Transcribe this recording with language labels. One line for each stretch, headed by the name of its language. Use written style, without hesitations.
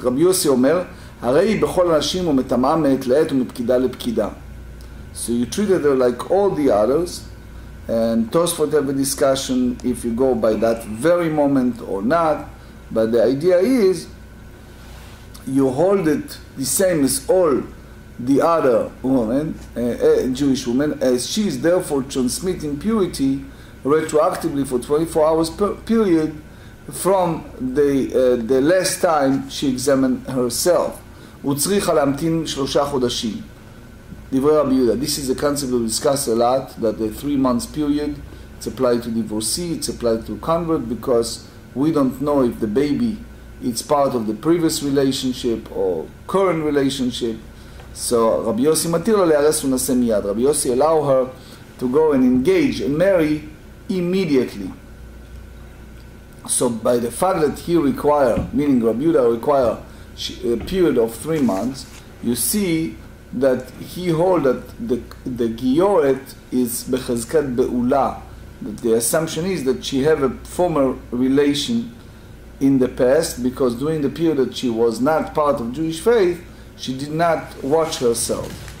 Hebrew: Rabbi Yossi omer, הרי בכל אנשים הוא מתאמה מעת לעת ומפקידה לפקידה.
English: So you treated her like all the others, and Tosfot have a discussion if you go by that very moment or not, but the idea is you hold it the same as all the other women, Jewish women, as she is therefore transmitting purity retroactively for 24 hours per period from the last time she examined herself.
Hebrew: וצריך להמתין שלושה חודשים. דברי רבי יהודה,
English: this is a concept we discuss a lot, that the 3 months period, it's applied to divorcee, it's applied to convert, because we don't know if the baby is part of the previous relationship or current relationship.
Hebrew: So רבי יוסי מתיר לה להרס ונעשה מיד.
English: רבי יוסי allow her to go and engage and marry immediately. So by the fact that he require, meaning Rabbi Yehuda require a period of 3 months, you see that he hold that the giyoret is
Hebrew: bechazkat be'ula,
English: that the assumption is that she have a former relation in the past, because during the period that she was not part of Jewish faith, she did not watch herself.